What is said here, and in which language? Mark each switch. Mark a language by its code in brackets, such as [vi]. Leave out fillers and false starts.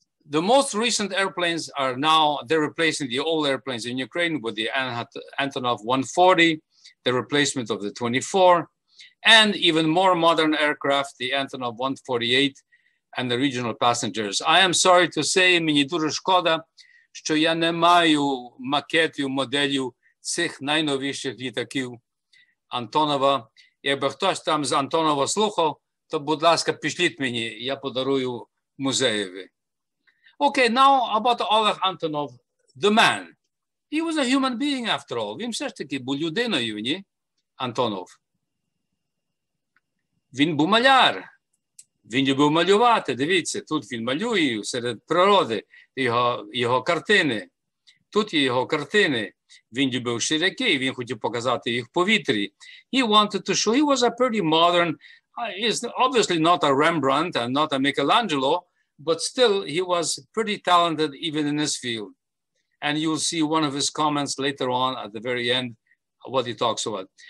[en] the most recent airplanes are now, they're replacing the old airplanes in Ukraine with the Antonov 140, the replacement of the 24, and even more modern aircraft, the Antonov 148, and the regional passengers. I am sorry to say, [uk] мені дуже шкода, що я не маю макетів, моделів цих найновіших літаків Антонова. Якби хтось там з Антонова слухав, то, будь ласка, пішліть мені, я подарую музеєві. [en] Okay, now about Oleg Antonov, the man. He was a human being after all. [uk] Він все ж таки був людиною, ні, Антонов. Він був маляр. Він любив малювати. Дивіться, тут він малює серед природи його картини. Тут є його картини. Він любив ширяки, він хотів показати їх в повітрі. [en] He wanted to show, he was a pretty modern, he's obviously not a Rembrandt and not a Michelangelo, but still he was pretty talented even in his field. And you'll see one of his comments later on at the very end, what he talks about.